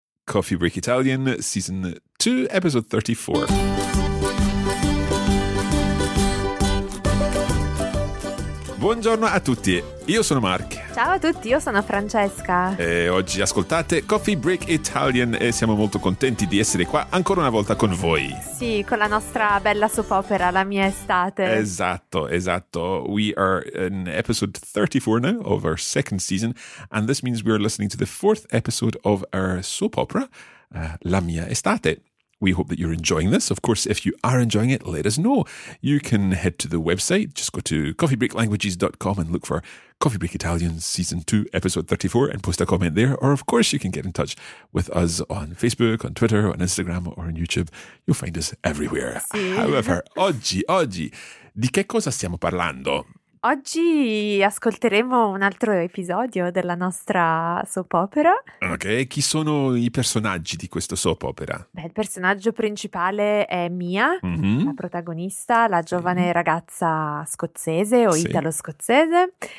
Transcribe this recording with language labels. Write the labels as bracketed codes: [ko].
[en] Coffee Break Italian, Season 2, Episode 34. [it] Buongiorno a tutti, io sono Mark. Ciao a tutti, io sono Francesca. E oggi ascoltate Coffee Break Italian e siamo molto contenti di essere qua ancora una volta con voi. Sì, con la nostra bella soap opera, La mia estate. Esatto, esatto. [en] We are in episode 34 now of our second season and this means we are listening to the fourth episode of our soap opera, La mia estate. We hope that you're enjoying this. Of course, if you are enjoying it, let us know. You can head to the website. Just go to coffeebreaklanguages.com and look for Coffee Break Italian Season 2, Episode 34 and post a comment there. Or, of course, you can get in touch with us on Facebook, on Twitter, on Instagram or on YouTube. You'll find us everywhere. [it] Sì. [en] However, [it] oggi, di che cosa stiamo parlando? Oggi ascolteremo un altro episodio della nostra soap opera. Ok, chi sono i personaggi di questa soap opera? Beh, il personaggio principale è Mia, la protagonista, la giovane ragazza scozzese o italo-scozzese.